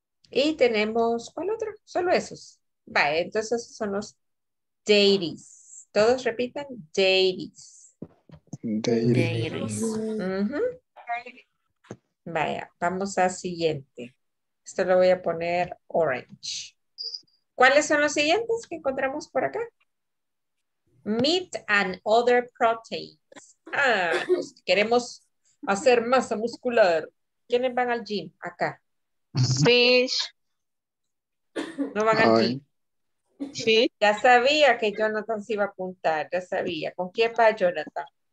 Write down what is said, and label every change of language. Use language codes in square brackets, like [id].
[es] Y tenemos, ¿cuál otro? Solo esos. Vale, entonces esos son los dairies. Todos repitan, dairies. [en] Dairies. [es] Vaya, vamos al siguiente. Esto lo voy a poner orange. ¿Cuáles son los siguientes que encontramos por acá? [en] Meat and other proteins. [es] Ah, pues queremos hacer masa muscular. ¿Quiénes van al gym acá? [en] Fish. [es] ¿No van al gym? Sí. Ya sabía que Jonathan se iba a apuntar. Ya sabía. ¿Con quién va Jonathan?